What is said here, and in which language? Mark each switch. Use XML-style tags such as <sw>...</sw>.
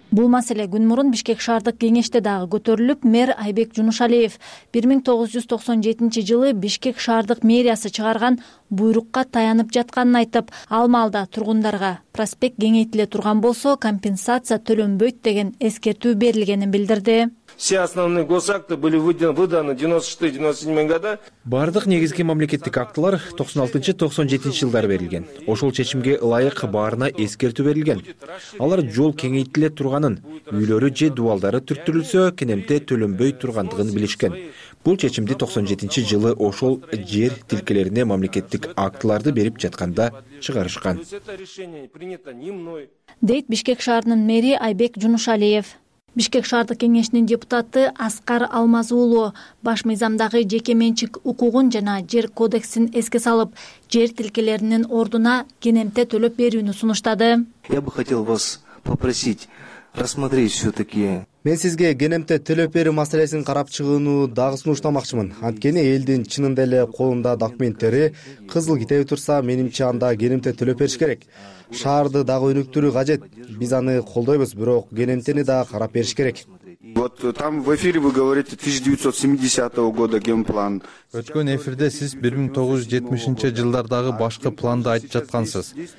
<ky>Бул маселе күн мурун Бишкек шаардык кеңеште дагы көтөрүлүп, мэр Айбек Жунушалиев 1997 жылы Бишкек шаардык мэриясы чыгарган буйрукка таянып жатканын айтып, ал маалда тургундарга проспект кеңейтиле турган болсо компенсация төлөнбөйт деген эскертүү берилгенин билдирди.</ky> <ru>Все основные госакты были выданы 96-97 года.</ru> <ky>Бардык негизги мамлекеттик актылар 96-97 жылдары берилген. Ошол чечимге ылайык баарына эскертүү берилген. Алар жол кеңейтиле турганын, үйлөрү же дубалдары түрттүрүлсө, кенемте төлөнбөй тургандыгын билишкен. Бул чечимди 97 жылы ошол жер тилкелерине мамлекеттик актыларды берип жатканда чыгарышкан. Дейт Бишкек шаарынын мэри Айбек Жунушалиев. Бишкек шаардык кеңешинин депутаты Аскар Алмаз уулу баш мыйзамдагы жеке менчик укугун жана жер кодексин эске салып, жер тилкелеринин ордуна кенемте төлөп берүүнү сунуштады.</ky> <ru>Я бы хотел вас попросить рассмотреть всё-таки.</ru> <ky>Мен сизге кенемте төлөп берүү маселесин карап чыгууну дагы сунуштамакчымын. Анткени элдин чынында эле колунда документтери кызыл китеби турса, менимче анда кенемте төлөп бериш керек. Шаарды дагы өнүктүрүү кажет. Биз аны колдойбуз, бирок кенемтени дагы карап бериш керек.</ky> <ru>Вот там в эфире вы говорите 1970 года генплан.</ru> <ky>Өткөн эфирде сиз 1970 жылдардагы башкы планды айтып жаткансыз.</ky>